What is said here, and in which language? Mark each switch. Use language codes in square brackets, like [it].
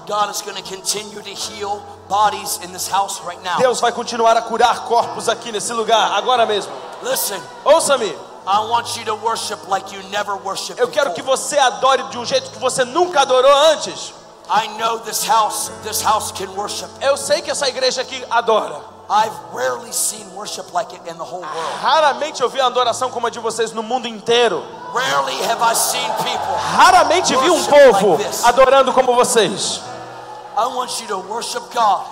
[en] God is gonna continue to heal bodies in this house right now. [pt] Deus vai continuar a curar corpos aqui nesse lugar agora mesmo. [en] Listen. [pt] Ouça-me. [en] I want you to worship like you never worshiped before. [pt] Eu quero que você adore de um jeito que você nunca adorou antes. [en] I know this house can worship. [pt] Eu sei que essa igreja aqui adora. [en] I've rarely seen worship like it in the whole world. [pt] Raramente eu vi adoração como a de vocês no mundo inteiro. [en] Rarely have I seen people. [pt] Raramente vi povo [en] like [pt] adorando como vocês. [en] I want you to worship God.